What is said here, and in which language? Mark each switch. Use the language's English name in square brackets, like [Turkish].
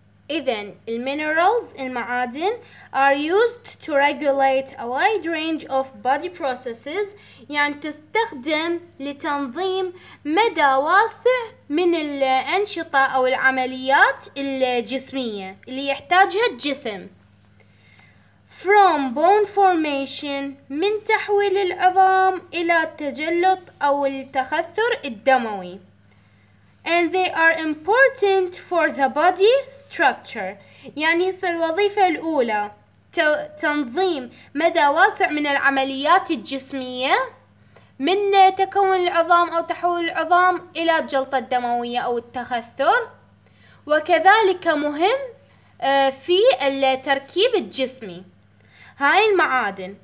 [Arabic] إذن المينرالز المعادن [English] are used to regulate a wide range of body processes [Arabic] يعني تستخدم لتنظيم مدى واسع من الأنشطة أو العمليات الجسمية اللي يحتاجها الجسم. [English] From bone formation [Arabic] من تحويل العظام إلى التجلط أو التخثر الدموي. [English] And they are important for the body structure. [Arabic] يعني هسه الوظيفة الأولى تنظيم مدى واسع من العمليات الجسمية من تكون العظام أو تحويل العظام إلى الجلطة الدموية أو التخثر، وكذلك مهم في التركيب الجسمي. هاي المعادن.